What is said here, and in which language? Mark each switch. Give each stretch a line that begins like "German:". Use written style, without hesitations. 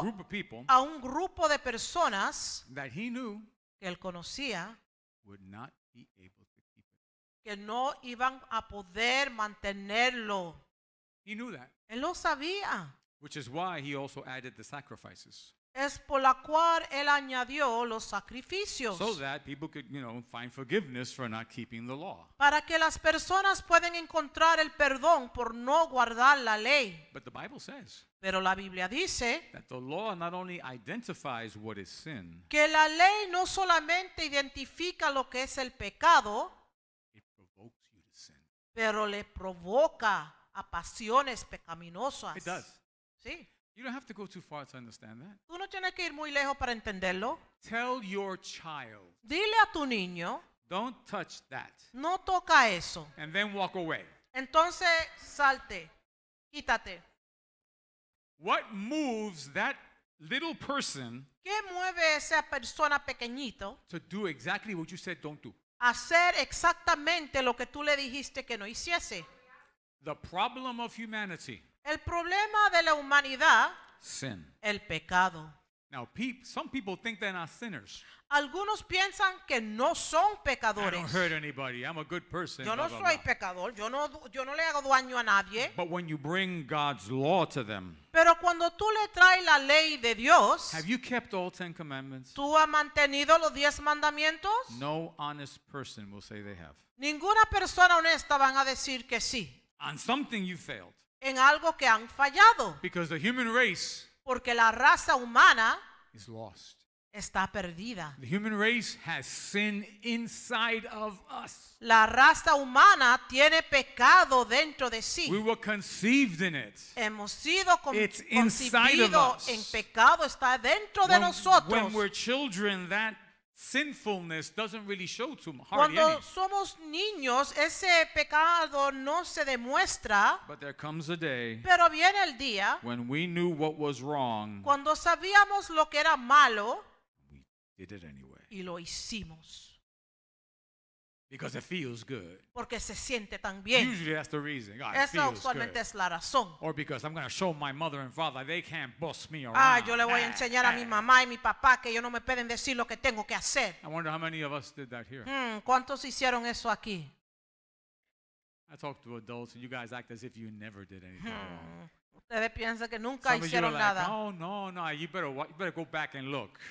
English: to a group of people,
Spanish: a un grupo de personas
English: that He knew,
Spanish: que él conocía,
English: would not be able to keep it,
Spanish: que no iban a poder mantenerlo.
English: He knew that.
Spanish: Él lo sabía.
English: Which is why He also added the sacrifices.
Spanish: Es por la cual él añadió los sacrificios.
English: So that people could, you know, find forgiveness for not keeping the law.
Spanish: Para que las personas puedan encontrar el perdón por no guardar la ley.
English: But the Bible says.
Spanish: Pero la Biblia dice.
English: That the law not only identifies what is sin.
Spanish: Que la ley no solamente identifica lo que es el pecado.
English: It provokes you to sin.
Spanish: Pero le provoca a pasiones pecaminosas.
English: It does.
Spanish: Sí.
English: You don't have to go too far to understand that.
Spanish: Tú no tienes que ir muy lejos para entenderlo.
English: Tell your child.
Spanish: Dile a tu niño.
English: Don't touch that.
Spanish: No toca eso.
English: And then walk away.
Spanish: Entonces salte. Quítate.
English: What moves that little person?
Spanish: ¿Qué mueve esa persona pequeñito?
English: To do exactly what you said don't do.
Spanish: Hacer exactamente lo que tú le dijiste que no hiciese.
English: The problem of humanity.
Spanish: El problema de la humanidad,
English: sin.
Spanish: El pecado.
English: Now, some people think they're not sinners.
Spanish: Algunos piensan que no son pecadores.
English: I don't hurt anybody. I'm a good person.
Spanish: Yo no soy pecador. Yo no le hago daño a nadie.
English: But when you bring God's law to them,
Spanish: pero cuando tú le traes la ley de Dios,
English: have you kept all 10 commandments?
Spanish: ¿Tú has mantenido los 10 mandamientos?
English: No honest person will say they have.
Spanish: Ninguna persona honesta van a decir que sí.
English: On something you failed.
Spanish: En algo que han fallado.
English: Because the human race.
Spanish: Porque la raza humana
English: is lost.
Spanish: Está perdida.
English: The human race has sin inside of us.
Spanish: La raza humana tiene pecado dentro de sí.
English: We were conceived in it.
Spanish: Hemos sido concebido en pecado. Está dentro de nosotros.
English: When we're children, that sinfulness doesn't really show to hardly any.
Spanish: Cuando somos niños, ese pecado no se demuestra.
English: But there comes a day.
Spanish: Pero viene el día.
English: When we knew what was wrong.
Spanish: Cuando sabíamos lo que era malo.
English: We did it anyway.
Spanish: Y lo hicimos.
English: Because it feels good.
Spanish: Porque se siente tan bien.
English: Usually that's the reason. God,
Spanish: esa usualmente
English: good.
Spanish: Es la razón.
English: Or because I'm going to show my mother and father they can't boss me around.
Spanish: Ah, yo le voy a enseñar a mi mamá y mi papá que yo no me pueden decir lo que tengo que hacer.
English: I wonder how many of us did that here.
Spanish: ¿Cuántos hicieron eso aquí?
English: I talk to adults and you guys act as if you never did anything wrong.
Spanish: Ustedes piensan que nunca
English: some
Spanish: hicieron
English: like,
Spanish: nada.
English: Oh, no, you better go back and look.